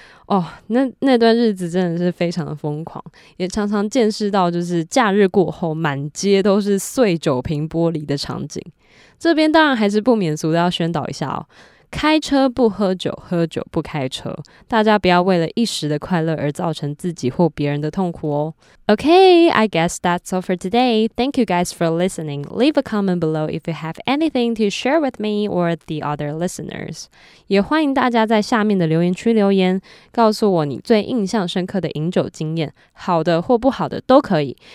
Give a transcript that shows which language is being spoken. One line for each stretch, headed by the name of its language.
Chinese: 哦，那段日子真的是非常的疯狂，也常常见识到就是假日过后满街都是碎酒瓶玻璃的场景。这边当然还是不免俗的要宣导一下哦，开车不喝酒，喝酒不开车，大家不要为了一时的快乐而造成自己或别人的痛苦哦。
English: Okay, I guess that's all for today. Thank you guys for listening. Leave a comment below if you have anything to share with me or the other listeners.
Chinese: 也欢迎大家在下面的留言区留言，告诉我你最印象深刻的饮酒经验，好的或不好的都可以。